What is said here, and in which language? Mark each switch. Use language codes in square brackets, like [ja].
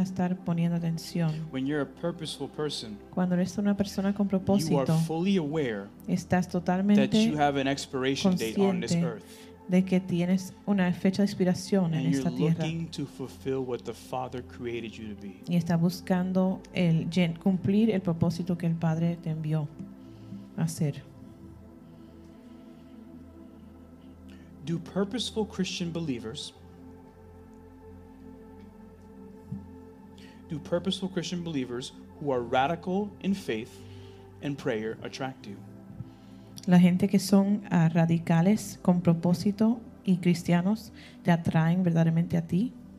[es] A estar poniendo atención. [en] When you're a purposeful person, [es] cuando eres una persona con propósito, [en] you are fully aware, [es] estás totalmente [en] that you have an expiration [es] consciente [en] date on this earth, [es] de que tienes una fecha de expiración en esta [en] you're [es] tierra, [en] looking to fulfill what the Father created you to be, [es] y estás buscando el cumplir el propósito que el Padre te envió a hacer. [en] Do purposeful Christian believers who are radical in faith and prayer attract you? [es] La gente que son radicales con propósito y cristianos te atraen verdaderamente a ti?